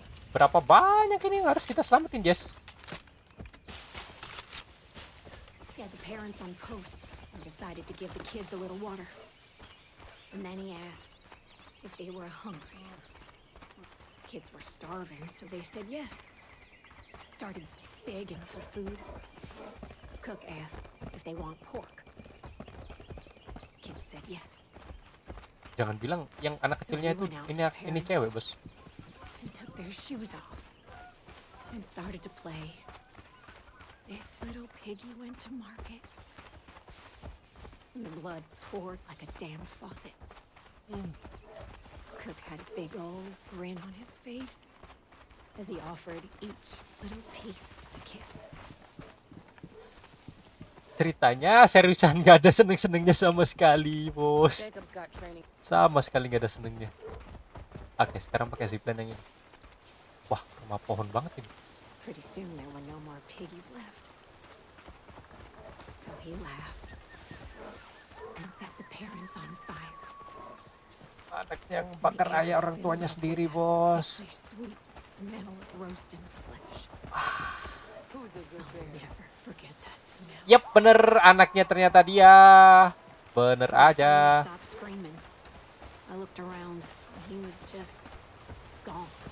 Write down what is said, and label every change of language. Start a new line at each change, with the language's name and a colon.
Indonesian: Berapa banyak ini yang harus kita selamatin, Jess?
English: Yeah, the parents on posts decided to give the kids a little water. And then he asked if they were hungry. Kids were starving, so they said yes. Started begging for food. Cook asked if they want pork. Kid said yes.
Indonesian: Jangan bilang yang anak kecilnya itu ini cewek, bos.
English: They took their shoes off and started to play. This little piggy went to market. And the blood poured like a damned faucet. Cook had a big old grin on his face as he offered each little piece to the kids.
Indonesian: Ceritanya seriusan gak ada seneng-senengnya sama sekali, bos. Sama sekali gak ada senengnya. Oke, sekarang pakai zipline yang ini. Wah, rumah pohon banget ini.
English: Pretty soon there were no more piggies left. So he laughed and set the parents on fire.
Indonesian: Anaknya yang bakar ayah orang tuanya sendiri, bos.
English: Sweet smell of roasting flesh. Who's a good bear? Never forget that. Yep,
Indonesian: bener anaknya ternyata dia. Bener aja.
English: I looked around. He was just gone.